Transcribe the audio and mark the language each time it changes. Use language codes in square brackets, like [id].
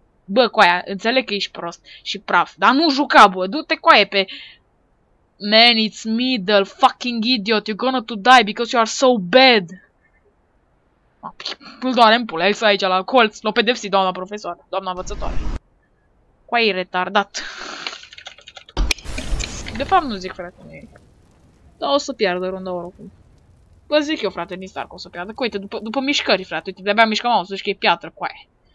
[ro] Bă, coaia, înțeleg că ești prost și praf, dar nu juca, bă, du-te coaie pe... [en] Man, it's middle, fucking idiot, you're gonna to die because you are so bad! [ro] Îl doare în pula, el aici la colț, l-o pedepsi doamna profesoară, doamna învățătoare. Coaie-i retardat. De fapt, nu zic, frate, nu e. Dar o să piardă runda oricum. Bă, zic eu, frate, din Stark o să piardă. Uite, după mișcări, frate, uite, de-abia mișcă mamă, să zici că e piatră, coaie.